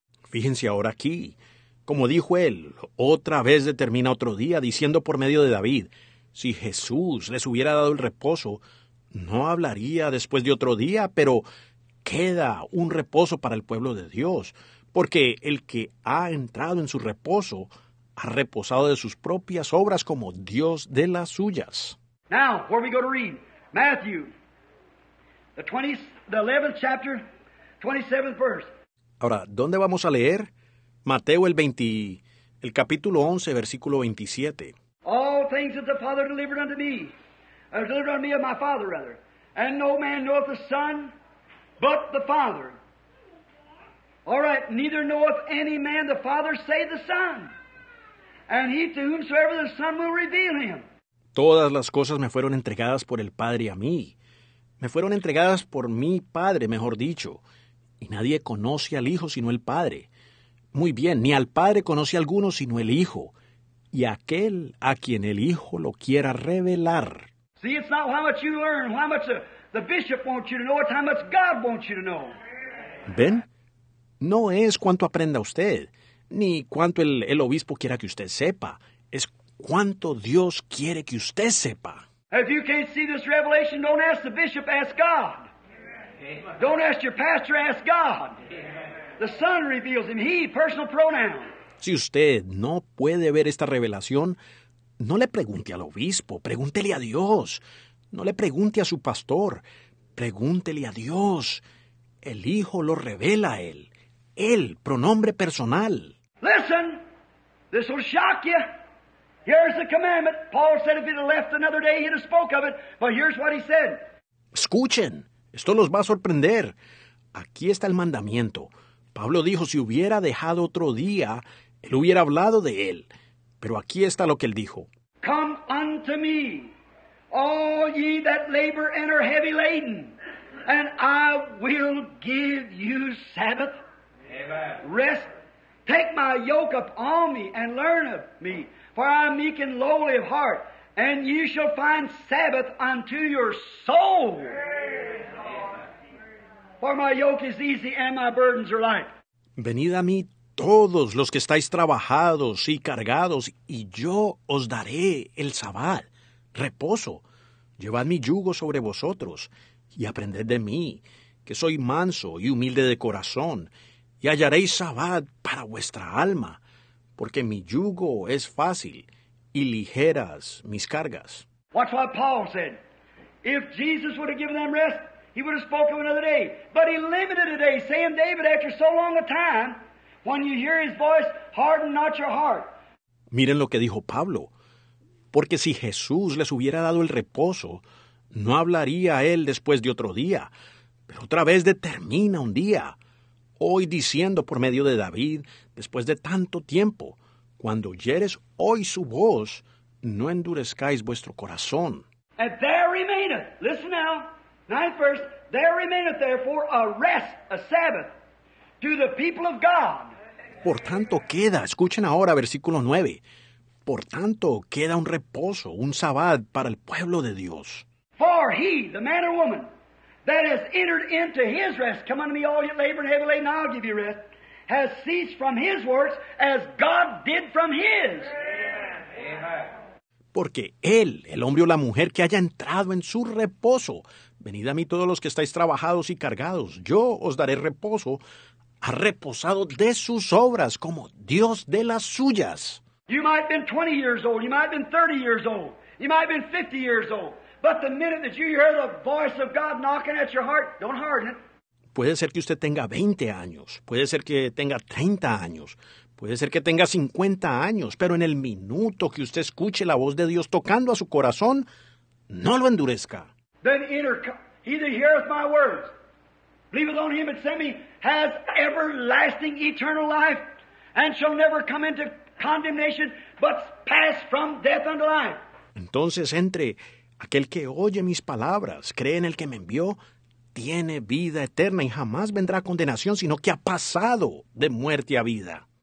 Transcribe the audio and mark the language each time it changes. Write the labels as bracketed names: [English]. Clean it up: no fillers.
[Spanish] Fíjense ahora aquí. Como dijo él, otra vez determina otro día, diciendo por medio de David, si Jesús les hubiera dado el reposo, no hablaría después de otro día, pero queda un reposo para el pueblo de Dios. Porque el que ha entrado en su reposo ha reposado de sus propias obras como Dios de las suyas. [English] Now, where are we going to read? Matthew, the 11th chapter, 27th verse. [Spanish] Ahora, ¿dónde vamos a leer? Mateo, el capítulo 11, versículo 27. [English] All things that the Father delivered unto me, are delivered unto me of my Father, rather. And no man knoweth the Son, but the Father. All right, neither knoweth any man the Father save the Son. And he to whomsoever the Son will reveal him. [Spanish] Todas las cosas me fueron entregadas por el Padre a mí. Me fueron entregadas por mi Padre, mejor dicho. Y nadie conoce al Hijo sino el Padre. Muy bien, ni al Padre conoce alguno sino el Hijo. Y aquel a quien el Hijo lo quiera revelar. [English] See, it's not how much you learn, how much the bishop wants you to know, it's how much God wants you to know. [Spanish] ¿Ven? No es cuánto aprenda usted, ni cuánto el obispo quiera que usted sepa. Es cuánto Dios quiere que usted sepa. [English] If you can't see this revelation, don't ask the bishop, ask God. Don't ask your pastor, ask God. The Son reveals him, he, personal pronoun. [Spanish] Si usted no puede ver esta revelación, no le pregunte al obispo, pregúntele a Dios. No le pregunte a su pastor, pregúntele a Dios. El Hijo lo revela a él. Él, pronombre personal. [English] Listen, this will shock you. Here's the commandment. Paul said if he'd have left another day, he'd have spoke of it. But here's what he said. [Spanish] Escuchen, esto los va a sorprender. Aquí está el mandamiento. Pablo dijo, si hubiera dejado otro día, él hubiera hablado de él. Pero aquí está lo que él dijo. [English] Come unto me, all ye that labor and are heavy laden, and I will give you Sabbath. Amen. Rest. Take my yoke upon me and learn of me, for I am meek and lowly of heart, and ye shall find Sabbath unto your soul. For my yoke is easy and my burdens are light. [Spanish] Venid a mí todos los que estáis trabajados y cargados, y yo os daré el sabbat, reposo. Llevad mi yugo sobre vosotros y aprended de mí, que soy manso y humilde de corazón, y hallaréis sabbat para vuestra alma, porque mi yugo es fácil y ligeras mis cargas. [English] Watch what Paul said. If Jesus would have given them rest, he would have spoken of another day. But he limited a day, saying, David, after so long a time, when you hear his voice, harden not your heart. [Spanish] Miren lo que dijo Pablo. Porque si Jesús les hubiera dado el reposo, no hablaría a él después de otro día. Pero otra vez determina un día. Hoy diciendo por medio de David, después de tanto tiempo, cuando oyeres hoy su voz, no endurezcáis vuestro corazón. [English] And there remaineth, listen now, ninth verse, there remaineth therefore a rest, a Sabbath, to the people of God. [Spanish] Por tanto queda, escuchen ahora versículo 9, por tanto queda un reposo, un sabbat para el pueblo de Dios. [English] For he, the man or woman, that has entered into his rest, come unto me all ye labor and heavy laden, and I'll give you rest, has ceased from his works as God did from his. Amen. [Spanish] Porque él, el hombre o la mujer que haya entrado en su reposo, venid a mí todos los que estáis trabajados y cargados, yo os daré reposo, ha reposado de sus obras como Dios de las suyas. [English] You might have been 20 years old, you might have been 30 years old, you might have been 50 years old, but the minute that you hear the voice of God knocking at your heart, don't harden it. [Spanish] Puede ser que usted tenga 20 años, puede ser que tenga 30 años, puede ser que tenga 50 años, pero en el minuto que usted escuche la voz de Dios tocando a su corazón, no lo endurezca. [English] Then enter, he that heareth my words, believeth on him that sent me, has everlasting eternal life, and shall never come into condemnation, but pass from death unto life. [Spanish] Entonces entre, aquel que oye mis palabras, cree en el que me envió, tiene vida eterna y jamás vendrá a condenación, sino que ha pasado de muerte a vida.